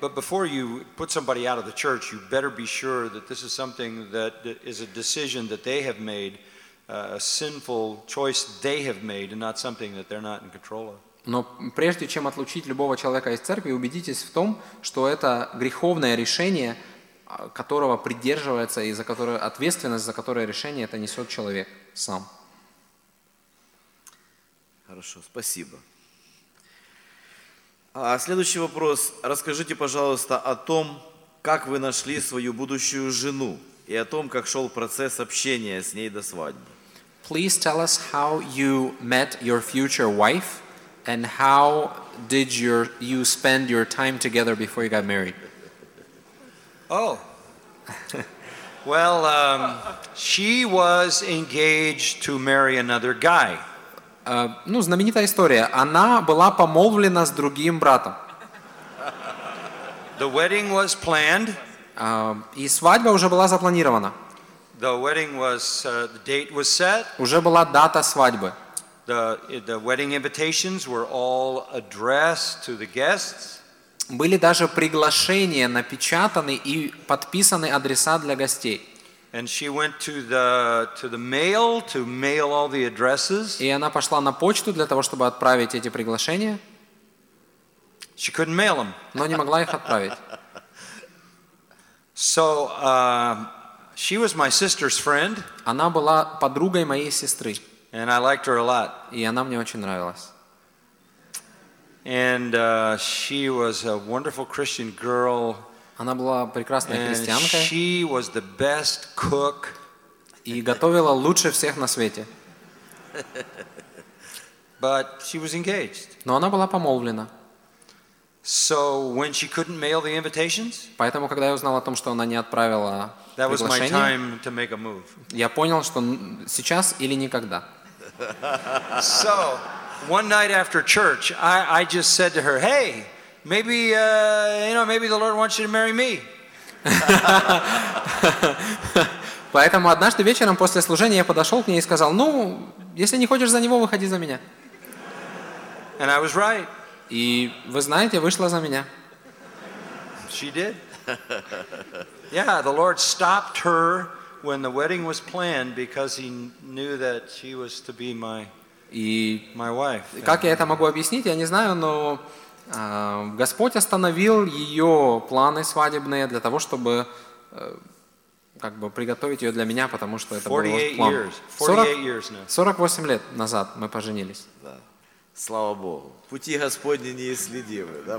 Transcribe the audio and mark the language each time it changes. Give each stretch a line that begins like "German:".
English: But before you put somebody out of the church, you better be sure that this is something that is a decision that they have made, a sinful choice they have made, and not something that they're not in control of.
Russian: Но прежде чем отлучить любого человека из церкви, убедитесь в том, что это греховное решение, которого придерживается и за которое ответственность за которое решение это несет человек сам. Хорошо, спасибо. Следующий вопрос. Расскажите, пожалуйста, о том, как вы нашли свою будущую жену и о том, как шел процесс общения с ней до свадьбы.
English: Please tell us how you met your future wife. And how did you spend your time together before you got married? Oh, well, she was engaged to marry another guy.
Russian: Ну, знаменитая история. Она была помолвлена с другим братом.
English: The wedding was planned.
Russian: И свадьба уже была запланирована.
English: The wedding was the date was set.
Russian: Уже была дата свадьбы.
English: The wedding invitations were all addressed to the guests.
Russian: Были даже приглашения напечатаны и подписаны адреса для гостей.
English: And she went to the mail to mail all the addresses.
Russian: И она пошла на почту для того, чтобы отправить эти приглашения.
English: She couldn't mail them.
Russian: Но не могла их отправить.
English: So she was my sister's friend.
Russian: Она была подругой моей сестры.
English: And I liked her a lot.
Russian: И она мне очень нравилась.
English: And she was a wonderful Christian girl.
Russian: Она была прекрасной христианкой.
English: And she was the best cook.
Russian: И готовила лучше всех на свете.
English: But she was engaged.
Russian: Но она была помолвлена.
English: So when she couldn't mail the invitations?
Russian: Поэтому когда я узнал о том, что она не отправила
English: That was my time to make a move.
Russian: Я понял, что сейчас или никогда.
English: So, one night after church, I just said to her, "Hey, maybe maybe the Lord wants you to marry me."
Russian: Поэтому однажды вечером после служения я подошел к ней и сказал: "Ну, если не хочешь за него, выходи за меня."
English: And I was right.
Russian: И вы знаете, вышла за меня.
English: She did. Yeah, the Lord stopped her when the wedding was planned because he knew that she was to be my wife.
Russian: Как я это могу объяснить, я не знаю, но Господь остановил ее планы свадебные для того, чтобы как бы приготовить ее для меня, потому что это был его план. 48 лет назад мы поженились. Да. Слава Богу. Пути Господни неисследимы. Да,